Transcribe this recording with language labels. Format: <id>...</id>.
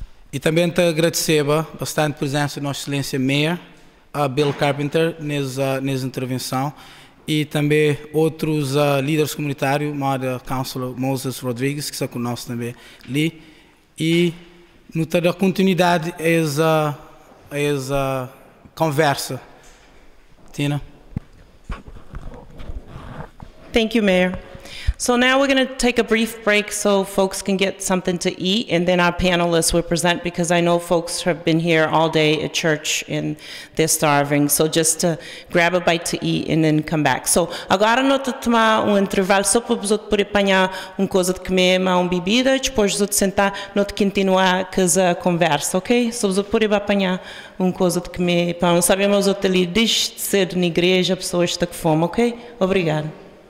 <pt>E também te agradecer bastante a presença da nossa excelência Mayor, Bill Carpenter, nessa intervenção, e também outros líderes comunitários, como a Councilor Moses Rodrigues, que está conosco também ali, e no ter a continuidade essa conversa. Tina?</pt> <en>Thank you, Mayor. So now we're going to take a brief break so folks can get something to eat, and then our panelists will present, because I know folks have been here all day at church and they're starving. So just to grab a bite to eat and then come back.</en> <pt>So agora nós vamos tomar intervalo só para os outros poderem apanhar coisa de comer, uma bebida, e depois os outros sentar, nós vamos continuar com a conversa, ok? Só os outros poderem apanhar coisa de comer, para não saber, mas os outros ali, desde cedo na igreja, a pessoa está com fome, ok? Obrigada.</pt>